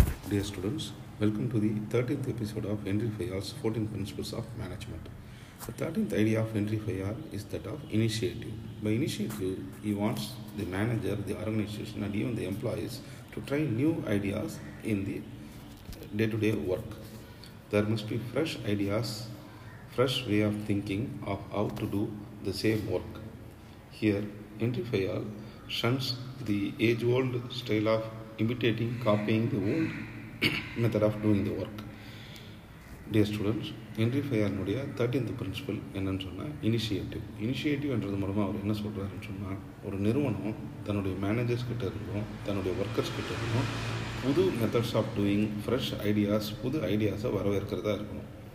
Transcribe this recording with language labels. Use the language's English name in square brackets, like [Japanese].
[English] Dear students, welcome to the 13th episode of Henry Fayol's 14 principles of management. The 13th idea of Henry Fayard is that of initiative. By initiative, he wants the manager, the organization, and even the employees to try new ideas in the day-to-day work. There must be fresh ideas, fresh way of thinking of how to do the same work. Here, Henry Fayard shuns the age-old style of imitating, copying the old method of doing the work. Dear students, [Tamil] entry ஃபையாரினுடைய 13th principal என்னன்னு சொன்னால் initiative. இனிஷியேட்டிவ்ன்றது மூலமாக அவர் என்ன சொல்கிறாருன்னு சொன்னால், ஒரு நிறுவனம் தன்னுடைய managers கிட்ட இருக்கும், தன்னுடைய ஒர்க்கர்ஸ் கிட்ட இருக்கும், புது [English] methods of doing, fresh ideas, [Tamil] புது ஐடியாஸை வரவேற்கிறதா இருக்கணும்.